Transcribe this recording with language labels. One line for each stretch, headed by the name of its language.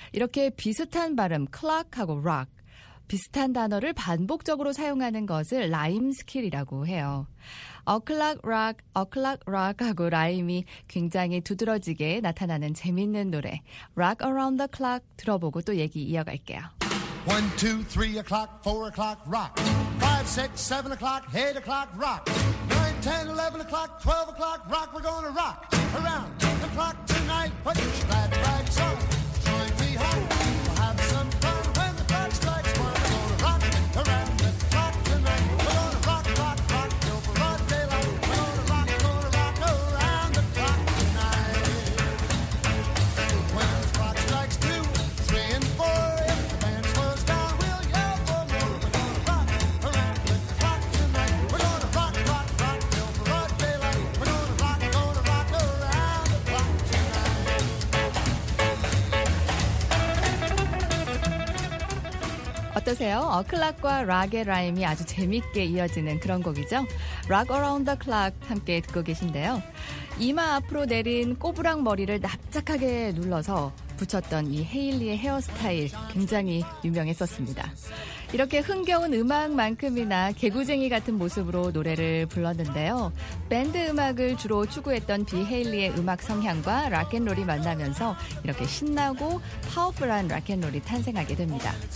Korean: 이렇게 비슷한 발음 clock하고 rock, 비슷한 단어를 반복적으로 사용하는 것을 rhyme skill이라고 해요.
English: A clock rock, a clock rock
Korean: 하고 라임이 굉장히 두드러지게 나타나는 재밌는 노래 Rock Around the Clock 들어보고 또 얘기 이어갈게요.
English: 1, 2, 3 o'clock, 4 o'clock, rock 5, 6, 7 o'clock, 8 o'clock, rock 9, 10, 11 o'clock, 12 o'clock, rock We're gonna rock around the clock tonight Put your glad flags on Join me home, we'll have some fun When the clock strikes one We're gonna rock around the clock tonight We're gonna rock, rock, rock Till broad daylight We're gonna rock around the clock tonight When the clock strikes two, three and four If the band slows down, we'll yell for more We're gonna rock around the clock tonight We're gonna rock, rock, rock Till broad daylight We're gonna rock around the clock tonight
Korean: 어떠세요? 클락과 락의 라임이 아주 재밌게 이어지는 그런 곡이죠? Rock Around the Clock 함께 듣고 계신데요. 이마 앞으로 내린 꼬부랑 머리를 납작하게 눌러서 붙였던 이 헤일리의 헤어스타일 굉장히 유명했었습니다. 이렇게 흥겨운 음악만큼이나 개구쟁이 같은 모습으로 노래를 불렀는데요. 밴드 음악을 주로 추구했던 비 헤일리의 음악 성향과 락앤롤이 만나면서 이렇게 신나고 파워풀한 락앤롤이 탄생하게 됩니다.